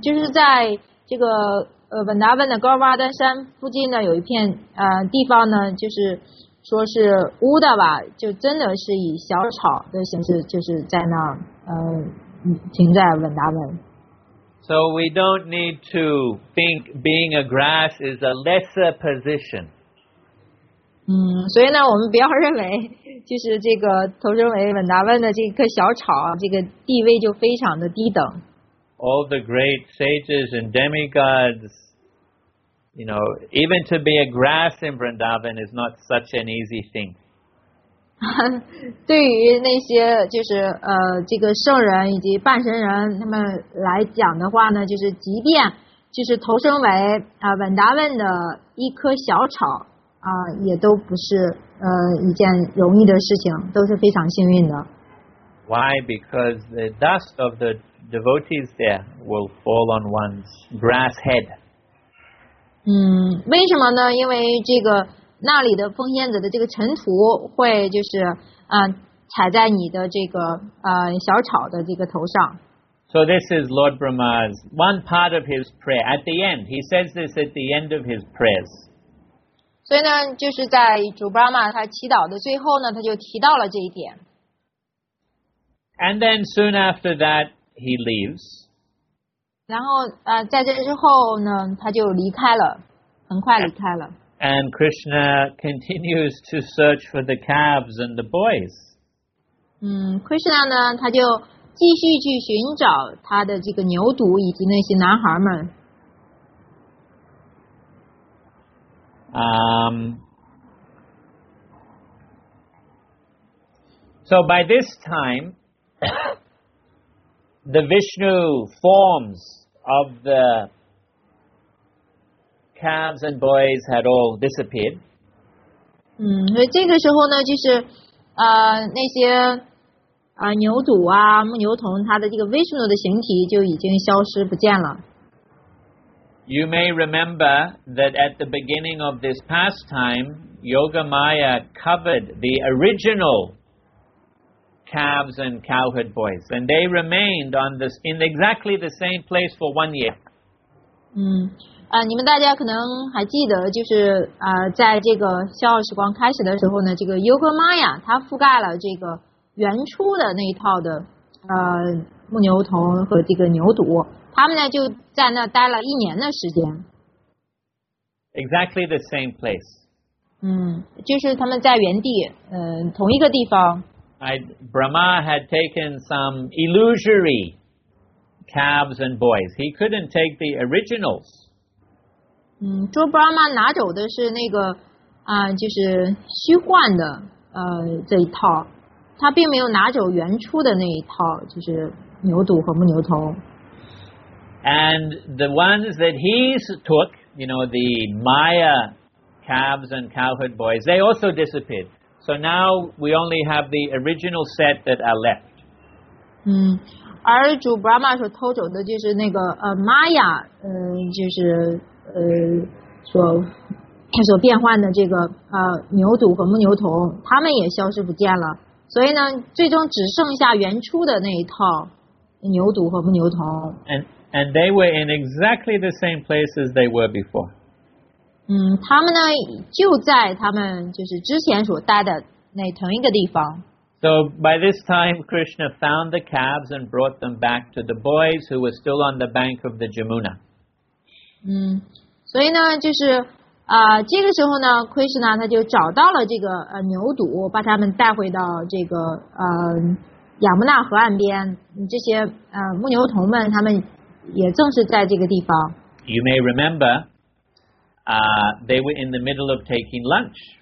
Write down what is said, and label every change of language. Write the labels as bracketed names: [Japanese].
[Chinese] 就是在这个文达文的高瓦丹山附近呢，有一片地方呢，就是说是乌达瓦就真的是以小草的形式，就是在那停在文达文。 [English] So we don't need to think being a grass is a lesser position. [Chinese] 所以呢，我们不要认为就是这个投身为文达湾的这棵小草，这个地位就非常的低等。 [English] All the great sages and demigods, you know, even to be a grass in Vrindavan is not such an easy thing. [Chinese] 对于那些就是这个圣人以及半神人他们来讲的话呢，就是即便就是投身为文达文的一棵小草也都不是一件容易的事情，都是非常幸运的。 [English] Why? Because the dust of the devotees there will fall on one's grass head. [Chinese] 为什么呢？因为这个那里的奉献者的这个尘土会就是踩在你的这个小草的这个头上。 [English] So this is Lord Brahma's one part of his prayer. At the end, he says this at the end of his prayers. [Chinese] 所以呢，就是在主 Brahma 他祈祷的最后呢，他就提到了这一点。 [English] And then soon after that, he leaves. [Chinese] 然后在这之后呢，他就离开了，很快离开了。 [English] And Krishna continues to search for the calves and the boys. [Chinese] Krishna 呢，他就继续去寻找他的这个牛犊以及那些男孩们。 [English] So by this time, the Vishnu forms of the calves and boys had all disappeared. [Chinese] 这个时候呢，就是那些牛犊啊、牧牛童，他的这个 Vishnu 的形体就已经消失不见了。 [English] You may remember that at the beginning of this pastime, Yogamaya covered the original calves and cowherd boys, and they remained on this in exactly the same place for 1 year. [Chinese] 你们大家可能还记得，就是在这个逍遥时光开始的时候呢，这个优格玛雅它覆盖了这个原初的那一套的牧牛童和这个牛犊，他们呢就在那待了一年的时间。 [English] Exactly the same place. [Chinese] 就是他们在原地，同一个地方。 [English] Brahma had taken some illusory calves and boys. He couldn't take the originals. [Chinese] 就 Brahma 拿走的是那个就是虚幻的这一套，他并没有拿走原初的那一套，就是牛犊和牧牛童。 [English] And the ones that he took, you know, the Maya calves and cowherd boys, they also disappeared. So now we only have the original set that are left. [Chinese] 而主 Brahma 所偷走的就是那个Maya, 就是所变换的这个牛犊和牧牛童，他们也消失不见了。所以呢，最终只剩下原初的那一套牛犊和牧牛童。 [English] And they were in exactly the same place as they were before. [Chinese] 他们呢就在他们就是之前所待的那同一个地方。 [English] So by this time, Krishna found the calves and brought them back to the boys who were still on the bank of the Jamuna. [Chinese] 所以呢，就是这个时候呢 ，Krishna 他就找到了这个牛犊，把他们带回到这个亚穆纳河岸边。这些牧牛童们，他们也正是在这个地方。 [English] You may remember, they were in the middle of taking lunch.